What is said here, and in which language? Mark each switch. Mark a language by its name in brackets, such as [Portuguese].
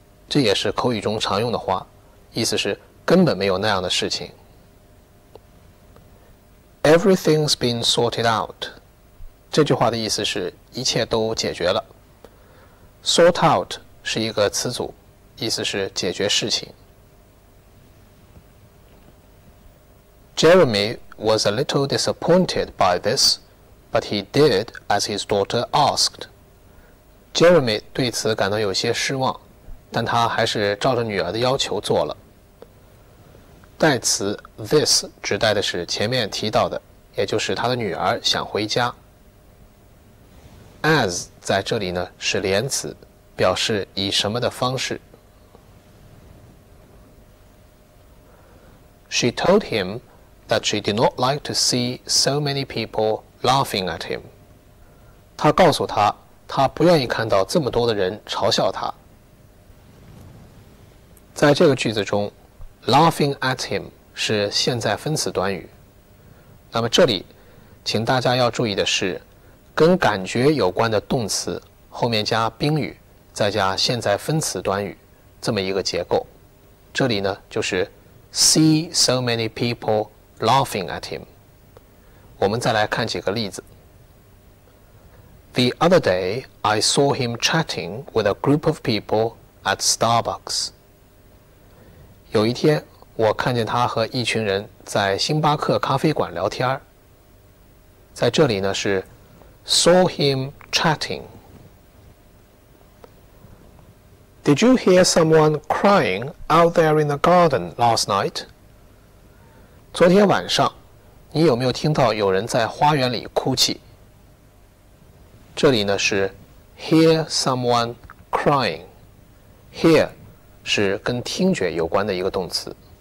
[Chinese] 这也是口语中常用的话，意思是根本没有那样的事情。 [English] Everything's been sorted out. [Chinese] 这句话的意思是一切都解决了。 [English] Sort out [Chinese] 是一个词组，意思是解决事情。 [English] Jeremy was a little disappointed by this, but he did as his daughter asked. [Chinese] Jeremy 对此感到有些失望，但他还是照着女儿的要求做了。代词 this 指代的是前面提到的，也就是他的女儿想回家。 As 在这里呢是连词，表示以什么的方式。 [English] She told him,that she did not like to see so many people laughing at him. [Chinese] 她告诉他他不愿意看到这么多的人嘲笑他。在这个句子中 ， [English] laughing at him [Chinese] 是现在分词短语。那么这里，请大家要注意的是，跟感觉有关的动词后面加宾语，再加现在分词短语，这么一个结构。这里呢，就是 [English] see so many people laughing at him。 [Chinese] 我们再来看几个例子。 [English] The other day, I saw him chatting with a group of people at Starbucks. [Chinese] 有一天，我看见他和一群人在星巴克咖啡馆聊天。在这里呢是 [English] saw him chatting. Did you hear someone crying out there in the garden last night? [Chinese] 昨天晚上，你有没有听到有人在花园里哭泣？这里呢是 [English] hear someone crying. [Chinese] Hear 是跟听觉有关的一个动词。